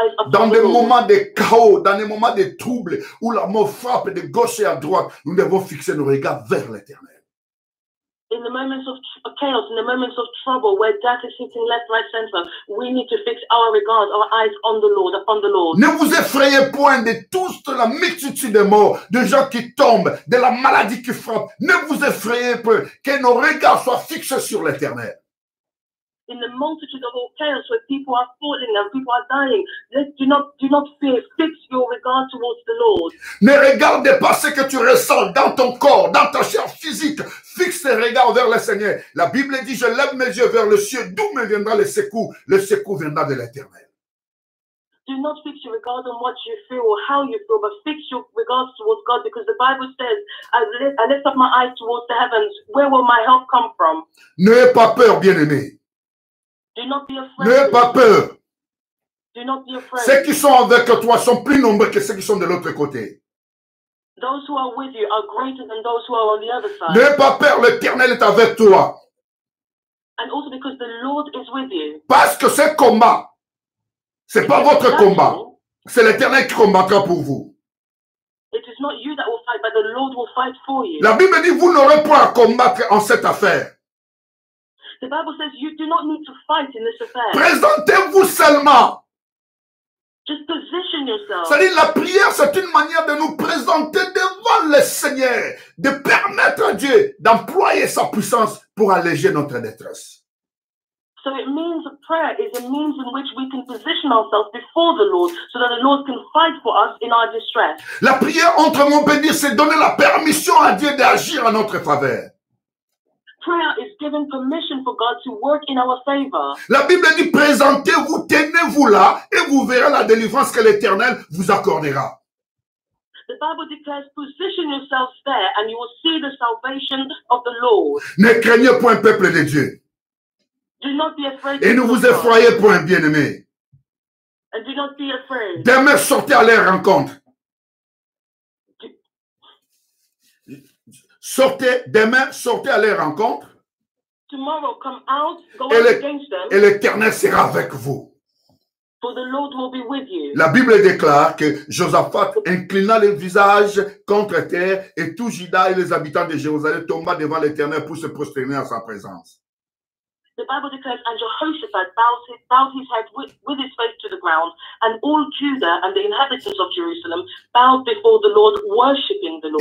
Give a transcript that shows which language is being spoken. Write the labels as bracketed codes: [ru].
[fr] Dans des moments de chaos, dans des moments de troubles, où la mort frappe de gauche et à droite, nous devons fixer nos regards vers l'Éternel. [en] In the moments of chaos, in the moments of trouble, where death is hitting left, right, center, we need to fix our regards, our eyes on the Lord, upon the Lord. [fr] Ne vous effrayez point de toute la multitude de morts, de gens qui tombent, de la maladie qui frappe. Ne vous effrayez point que nos regards soient fixés sur l'Éternel. [en] In the multitude of all chaos where people are falling and people are dying, do not fear. Fix your regard towards the Lord. [fr] Ne regardez pas ce que tu ressens dans ton corps, dans ta chair physique. Fixe tes regards vers le Seigneur. La Bible dit, je lève mes yeux vers le ciel. D'où me viendra le secours? Le secours viendra de l'Éternel. [en] Do not fix your regard on what you feel or how you feel, but fix your regards towards God, because the Bible says, I lift up my eyes towards the heavens. Where will my help come from? [fr] N'ayez pas peur, bien-aimé. [en] Do not be afraid. [fr] N'aie pas peur. [en] Do not be afraid. [fr] Ceux qui sont avec toi sont plus nombreux que ceux qui sont de l'autre côté. [en] Those who are with you are greater than those who are on the other side. [fr] N'aie pas peur, l'Éternel est avec toi. [en] And also because the Lord is with you. [fr] Parce que ce combat, c'est pas votre combat. C'est l'Éternel qui combattra pour vous. [en] It is not you that will fight, but the Lord will fight for you. [fr] La Bible dit, vous n'aurez point à combattre en cette affaire. [en] The Bible says you do not need to fight in this affair. [fr] Présentez-vous seulement. [en] Just position yourself. [fr] C'est-à-dire la prière, c'est une manière de nous présenter devant le Seigneur, de permettre à Dieu d'employer sa puissance pour alléger notre détresse. [en] So it means prayer is a means in which we can position ourselves before the Lord so that the Lord can fight for us in our distress. [fr] La prière entre mon bénir, c'est donner la permission à Dieu d'agir en notre faveur. [en] Prayer is given permission for God to work in our favor. [fr] La Bible dit, présentez-vous, tenez-vous là, et vous verrez la délivrance que l'Éternel vous accordera. [en] The Bible declares, position yourselves there, and you will see the salvation of the Lord. [fr] Ne craignez point, peuple de Dieu. [en] Do not be afraid. [fr] Et ne vous effrayez point, bien-aimé. [en] And do not be afraid. [fr] Demain, sortez à leur rencontre. Sortez à leur rencontre. [en] Tomorrow, come out, go against them. [fr] Et l'Éternel sera avec vous. [en] For the Lord will be with you. [fr] La Bible déclare que Josaphat inclina le visage contre terre et tout Juda et les habitants de Jérusalem tomba devant l'Éternel pour se prosterner à sa présence. [en] The Bible declares, and Jehoshaphat bowed his head with his face to the ground, and all Judah and the inhabitants of Jerusalem bowed before the Lord, worshipping the Lord.